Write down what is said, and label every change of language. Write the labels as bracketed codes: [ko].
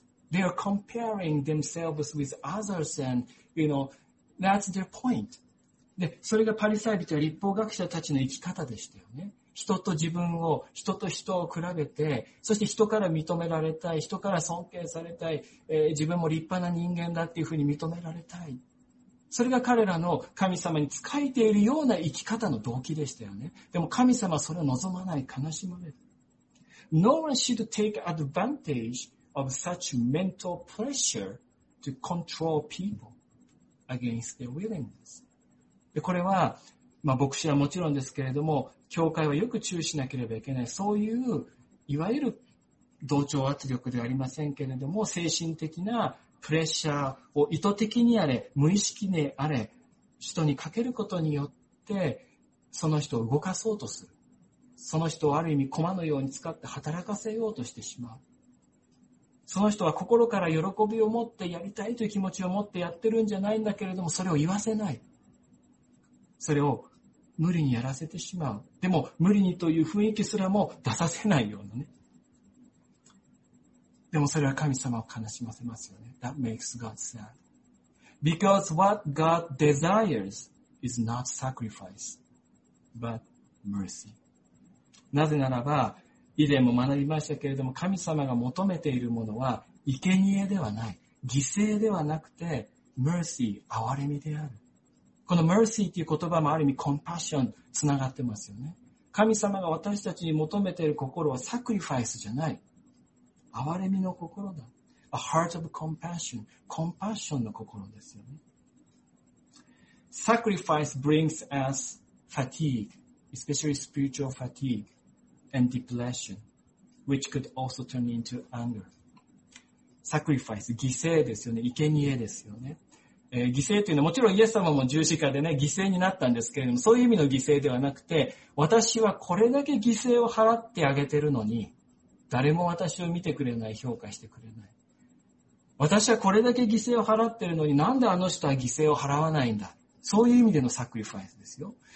[en] They are comparing themselves with others and, you know, that's their point. [ja] で、それがパリサイ人や律法学者たちの生き方でしたよね。人と自分を、人と人を比べて、そして人から認められたい、人から尊敬されたい、自分も立派な人間だっていうふうに認められたい。それが彼らの神様に仕えているような生き方の動機でしたよね。でも神様はそれを望まない、悲しまれる。 [en] No one should take advantage of such mental pressure to control people against their willingness. [ja] でこれは、まあ、牧師はもちろんですけれども、教会はよく注意しなければいけない、そういういわゆる同調圧力ではありませんけれども、精神的なプレッシャーを意図的にあれ、無意識にあれ、人にかけることによって、その人を動かそうとする。その人をある意味駒のように使って働かせようとしてしまう。その人は心から喜びを持ってやりたいという気持ちを持ってやってるんじゃないんだけれども、それを言わせない。それを無理にやらせてしまう。でも無理にという雰囲気すらも出させないようなね。でもそれは神様を悲しませますよね。 [en] That makes God sad. Because what God desires is not sacrifice, but mercy. [ja] なぜならば、以前も学びましたけれども、神様が求めているものは生贄ではない、犠牲ではなくて mercy、 憐れみである。この mercy という言葉もある意味 compassion つながってますよね。神様が私たちに求めている心は sacrifice じゃない。憐れみの心だ。 [en] A heart of compassion. [ja] Compassion の心ですよね。 [en] Sacrifice brings us fatigue, especially spiritual fatigue and depletion, which could also turn into anger. [ja] Sacrifice, 犠牲ですよね。生贄ですよね。犠牲というのはもちろんイエス様も十字架でね、犠牲になったんですけれども、そういう意味の犠牲ではなくて、私はこれだけ犠牲を払ってあげてるのに、誰も私を見てくれない、評価してくれない、私はこれだけ犠牲を払ってるのに、なんであの人は犠牲を払わないんだ、そういう意味でのサクリファイスですよ。